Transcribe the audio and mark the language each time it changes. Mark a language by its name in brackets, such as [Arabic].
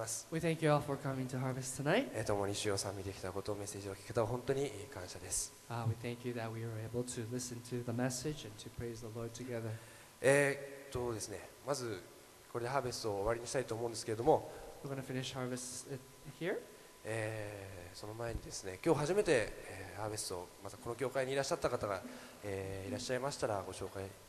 [English] We thank you all for coming to Harvest tonight. [Japanese] 共に主を賛美できたことをメッセージを聞けたことを本当に感謝です。 [English] We thank you that we were able to listen to the message and to praise the Lord together. [Japanese] ですね、まずこれでハーベストを終わりにしたいと思うんですけれども、 [English] We're going to finish Harvest here. [Japanese] その前にですね、今日初めて、ハーベストをまたこの教会にいらっしゃった方が、いらっしゃいましたらご紹介。